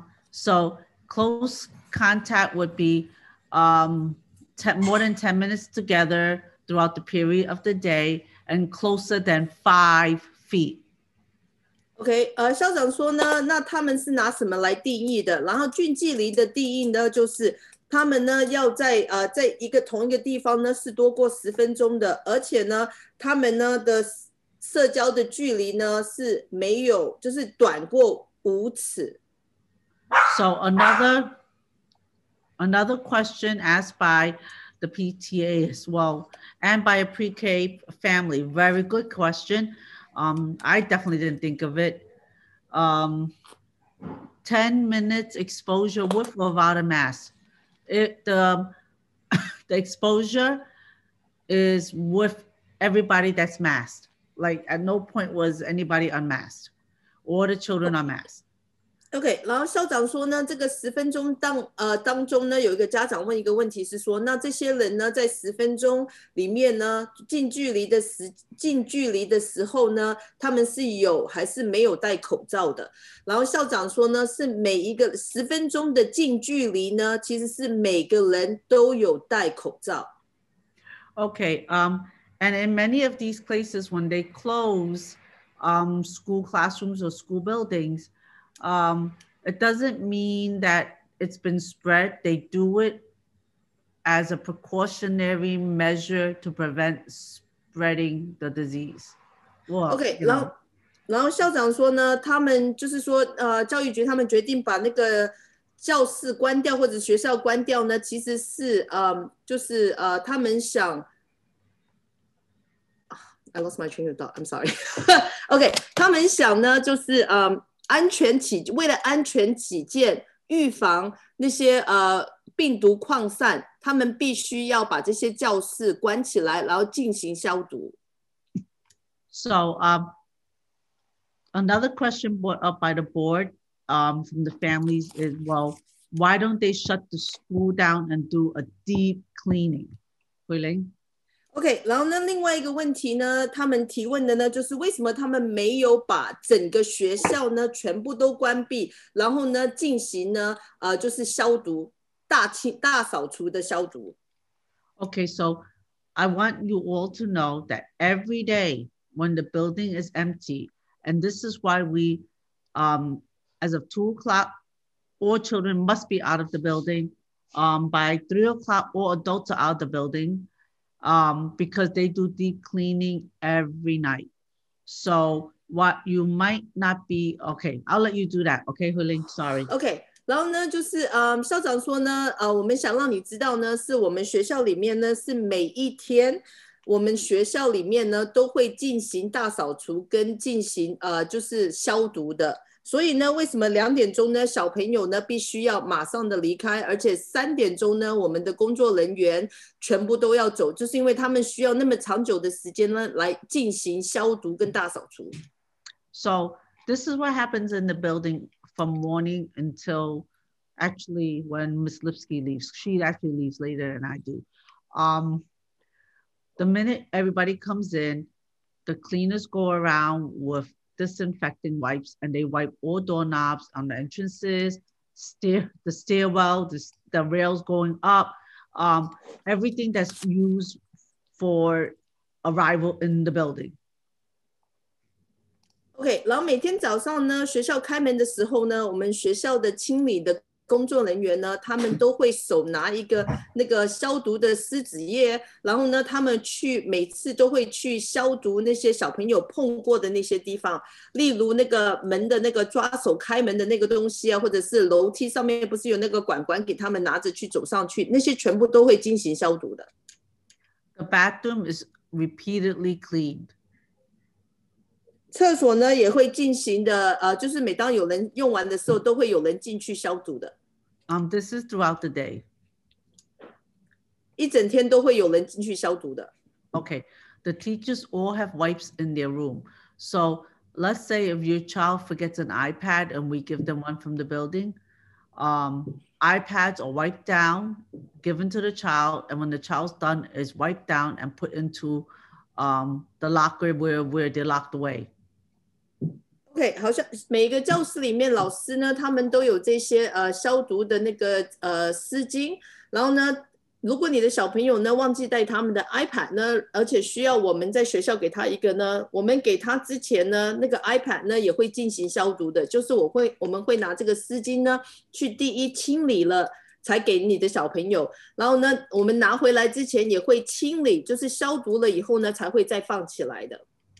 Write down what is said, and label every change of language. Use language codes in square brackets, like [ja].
[en] So close contact would be more than 10 minutes together throughout the period of the day and closer than 5 feet. [zh] OK， 校长说呢，那他们是拿什么来定义的？然后近距离的定义呢，就是他们呢要在一个同一个地方呢是多过十分钟的，而且呢他们呢的社交的距离呢是没有，就是短过五尺。 [en] So another question asked by the PTA as well, and by a pre-K family. Very good question. I definitely didn't think of it. 10 minutes exposure with or without a mask. The exposure is with everybody that's masked. Like at no point was anybody unmasked. All the children are masked. [zh] Okay, 然后校长说呢，这个十分钟当中呢，有一个家长问一个问题是说，那这些人呢，在十分钟里面呢，近距离的时候呢，他们是有还是没有戴口罩的？然后校长说呢，是每一个十分钟的近距离呢，其实是每个人都有戴口罩。 [en] Okay, and in many of these places, when they close, school classrooms or school buildings. It doesn't mean that it's been spread. They do it as a precautionary measure to prevent spreading the disease. Well, okay, [zh] 然后然后校长说呢，他们就是说，教育局他们决定把那个教室关掉或者学校关掉呢，其实是就是他们想。 [en] I lost my train of thought. I'm sorry. [zh] OK, 他们想呢，就是安全起为了安全起见，预防那些病毒扩散，他们必须要把这些教室关起来，然后进行消毒。 [en] So, another question brought up by the board, from the families is, well, why don't they shut the school down and do a deep cleaning? Huiling. [zh] OK, 然后呢另外一个问题呢他们提问的呢就是为什么他们没有把整个学校呢全部都关闭然后呢进行呢就是消毒大扫除的消毒。 [en] OK, so I want you all to know that every day when the building is empty, and this is why we, as of 2 o'clock, all children must be out of the building, by 3 o'clock, all adults are out of the building,because they do deep cleaning every night. So what you might not be, okay, I'll let you do that, okay, Huiling, sorry. [zh] Okay, 然后呢就是校长说呢我们想让你知道呢是我们学校里面呢是每一天我们学校里面呢都会进行大扫除跟进行就是消毒的。所以呢为什么两点钟呢小朋友呢必须要马上的离开而且三点钟呢我们的工作人员全部都要走就是因为他们需要那么长久的时间呢来进行消毒跟大扫除。 [en] So, this is what happens in the building from morning until actually when Ms. Lipsky leaves. She actually leaves later than I do. The minute everybody comes in, the cleaners go around withdisinfecting wipes and they wipe all doorknobs on the entrances, the stairwell, the rails going up, everything that's used for arrival in the building. [zh] Okay, 然后每天早上呢学校开门的时候呢我们学校的清理的工作人员呢他们都会手拿一个那个消毒的湿纸液然后呢他们去每次都会去消毒那些小朋友碰过的那些地方例如那个门的那个抓手开门的那个东西啊或者是楼梯上面不是有那个管管给他们拿着去走上去那些全部都会进行消毒的。 [en] The bathroom is repeatedly cleaned. [zh] 厕所呢也会进行的就是每当有人用完的时候都会有人进去消毒的。 [en] This is throughout the day. [zh] 一整天都会有人进去消毒的。 [en] Okay, the teachers all have wipes in their room. So let's say if your child forgets an iPad and we give them one from the building, iPads are wiped down, given to the child, and when the child's done, is wiped down and put intothe locker where they locked away. [zh] Okay, 好像每一个教室里面老师呢他们都有这些消毒的那个湿巾然后呢如果你的小朋友呢忘记带他们的 iPad 呢而且需要我们在学校给他一个呢我们给他之前呢那个 iPad 呢也会进行消毒的就是我们会拿这个湿巾呢去第一清理了才给你的小朋友然后呢我们拿回来之前也会清理就是消毒了以后呢才会再放起来的。